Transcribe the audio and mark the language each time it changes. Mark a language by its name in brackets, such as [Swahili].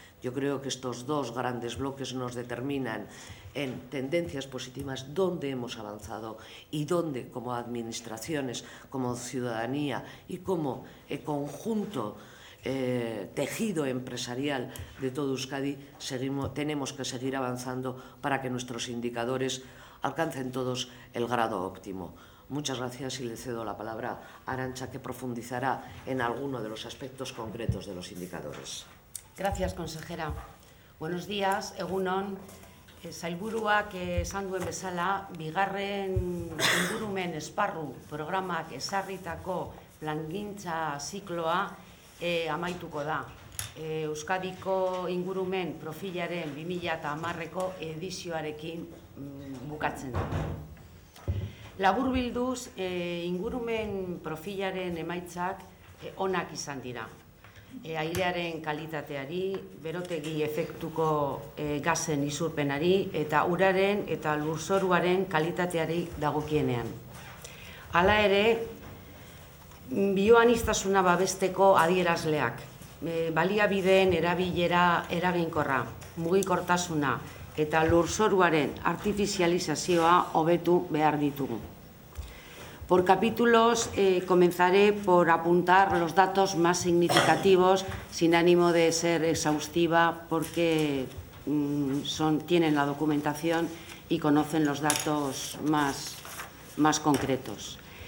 [Spanish] Yo creo que estos dos grandes bloques nos determinan en tendencias positivas dónde hemos avanzado y dónde, como administraciones, como ciudadanía y como conjunto tejido empresarial de todo Euskadi, tenemos que seguir avanzando para que nuestros indicadores alcancen todos el grado óptimo. Muchas gracias y le cedo la palabra a Arantxa, que profundizará en alguno de los aspectos concretos de los indicadores. Gracias, consejera. Buenos días, egunon. [Basque] Sailburuak esan duen bezala, bigarren ingurumen esparru programak ezarritako plangintza zikloa amaituko da. Euskadiko ingurumen profilaren 2010-ko edizioarekin bukatzen da. Laburbilduz, ingurumen profilaren emaitzak onak izan dira. Airearen kalitateari, berotegi efektuko gazen isurpenari eta uraren eta lurzoruaren kalitateari dagokienean. Hala ere, bioaniztasuna babesteko adierazleak, baliabideen erabilera eraginkorra, mugikortasuna eta lurzoruaren artifizializazioa hobetu behar ditugu. [Spanish] Por capítulos, comenzaré por apuntar los datos más significativos, sin ánimo de ser exhaustiva, porque tienen la documentación y conocen los datos más concretos.